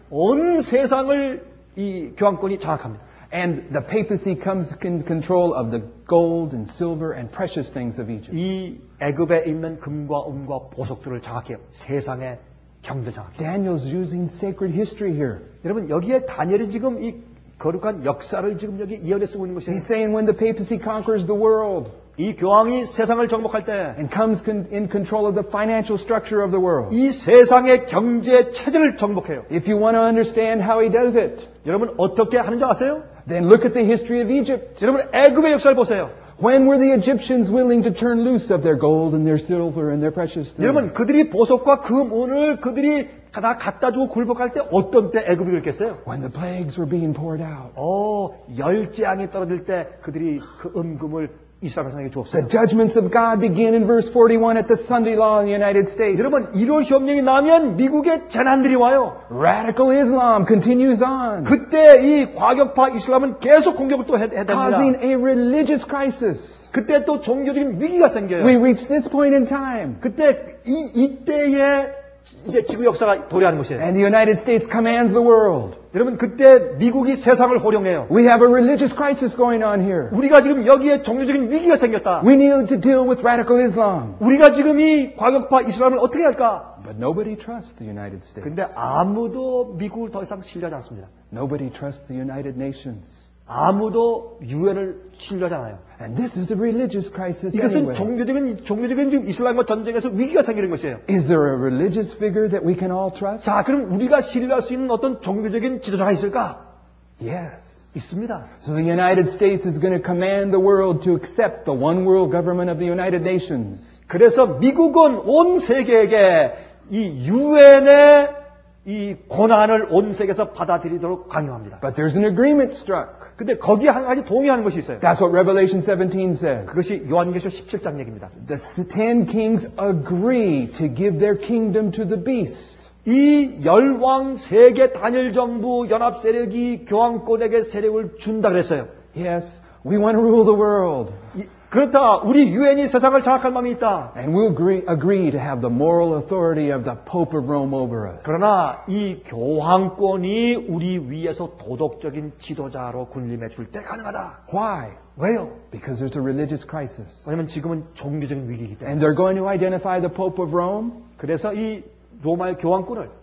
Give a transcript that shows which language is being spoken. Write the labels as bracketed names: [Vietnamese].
[Korean] 온 세상을 이 교황권이 장악합니다. [English] And the papacy comes in control of the gold and silver and precious things of Egypt. [Korean] 이 애굽에 있는 금과 은과 보석들을 장악해요. 세상의 경제를 장악해요. [English] Daniel's using sacred history here. [Korean] 여러분 여기에 다니엘이 지금 이 거룩한 역사를 지금 여기 예언해 쓰고 있는 것이에요. [English] He's saying when the papacy conquers the world. [Korean] 이 교황이 세상을 정복할 때 [English] and comes in control of the financial structure of the world. [Korean] 이 세상의 경제 체제를 정복해요. [English] If you want to understand how he does it. [Korean] 여러분 어떻게 하는 줄 아세요? [English] Then look at the history of Egypt. [Korean] 여러분 애굽의 역사를 보세요. [English] When were the Egyptians willing to turn loose of their gold and their silver and their precious things? [Korean] 여러분, 그들이 보석과 금은을 그들이 다 갖다 주고 굴복할 때 어떤 때 애굽이 그랬겠어요? [English] When the plagues were being poured out. [Korean] 어, 열 재앙이 떨어질 때 그들이 그 은금을 이스라엘 백성에게 주었어요. [English] The judgments of God begin in verse 41 at the Sunday law in the United States. [Korean] 여러분, 이런 협력이 나면 미국에 재난들이 와요. [English] Radical Islam continues on. [Korean] 그때 이 과격파 이슬람은 계속 공격을 또 해야 됩니다. [English] Causing a religious crisis. [Korean] 그때 또 종교적인 위기가 생겨요. [English] We reach this point in time. [Korean] 그때 이때에 이제 지구 역사가 도래하는 것이에요. [English] And the United States commands the world. [Korean] 여러분 그때 미국이 세상을 호령해요. [English] We have a religious crisis going on here. [Korean] 우리가 지금 여기에 종교적인 위기가 생겼다. [English] We need to deal with radical Islam. [Korean] 우리가 지금 이 과격파 이슬람을 어떻게 할까? [English] But nobody trusts the United States. [Korean] 근데 아무도 미국을 더 이상 신뢰하지 않습니다. [English] Nobody trusts the United Nations. [Korean] 아무도 유엔을 신뢰하지 않아요. [English] And this is a religious crisis. [Korean] 이것은 [English] anyway. [Korean] 종교적인 지금 이슬람과 전쟁에서 위기가 생기는 것이에요. [English] Is there a religious figure that we can all trust? [Korean] 자, 그럼 우리가 신뢰할 수 있는 어떤 종교적인 지도자가 있을까? [English] Yes. [Korean] 있습니다. [English] So the United States is going to command the world to accept the one world government of the United Nations. [Korean] 그래서 미국은 온 세계에게 이 유엔의 이 권한을 온 세계에서 받아들이도록 강요합니다. [English] But there's an agreement struck. [Korean] 근데 거기에 한 가지 동의하는 것이 있어요. [English] That's what Revelation 17 says. [Korean] 그것이 요한계시록 17장 얘기입니다. [English] The ten kings agree to give their kingdom to the beast. [Korean] 이 열왕 세계 단일 정부 연합 세력이 교황권에게 세력을 준다 그랬어요. [English] Yes, we want to rule the world. [Korean] 그렇다. 우리 유엔이 세상을 장악할 마음이 있다. [English] And we agree to have the moral authority of the Pope of Rome over us. [Korean] 그러나 이 교황권이 우리 위에서 도덕적인 지도자로 군림해 줄 때 가능하다. [English] Why? [Korean] 왜요? [English] Because there's a religious crisis. [Korean] 왜냐면 지금은 종교적인 위기이기 때문에. [English] And they're going to identify the Pope of Rome. [Korean] 그래서 이 로마의 교황권을